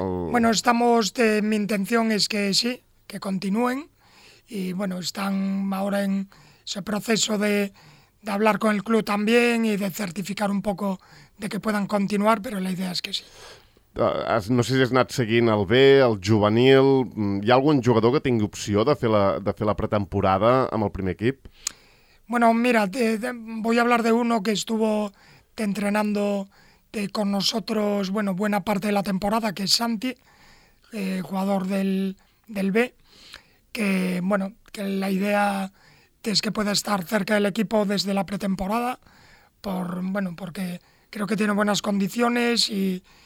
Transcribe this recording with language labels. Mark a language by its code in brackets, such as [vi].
[es] Bueno, estamos, mi intención es que sí, que continúen, y bueno, están ahora en ese proceso de hablar con el club también y de certificar un poco de que puedan continuar, pero la idea es que sí. [ca] No sé si has anat seguint el B, el juvenil. Hi ha algun jugador que tingui opció de fer la pretemporada amb el primer equip? [es] Bueno, mira, voy a hablar de uno que estuvo entrenando con nosotros, bueno, buena parte de la temporada, que es Santi, jugador del B, que, bueno, que la idea es que pueda estar cerca del equipo desde la pretemporada, porque creo que tiene buenas condiciones y